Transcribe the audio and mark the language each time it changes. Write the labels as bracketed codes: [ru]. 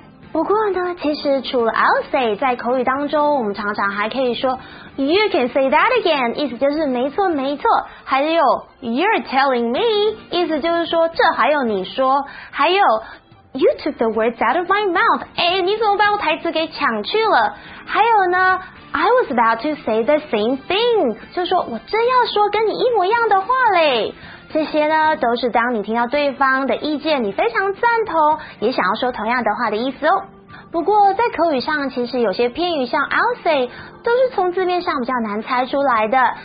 [zh] 不过呢其实除了 [en] I'll say [zh] 在口语当中我们常常还可以说 [en] You can say that again [zh] 意思就是没错没错还有 [en] You're telling me [zh] 意思就是说这还有你说还有 [en] You took the words out of my mouth. [zh] 哎，你怎么把我台词给抢去了？还有呢 [en] ，I was about to say the same thing. [zh] 就说我正要说跟你一模一样的话嘞。这些呢，都是当你听到对方的意见，你非常赞同，也想要说同样的话的意思哦。不过在口语上，其实有些偏语，像 [en] I'll say， [zh] 都是从字面上比较难猜出来的。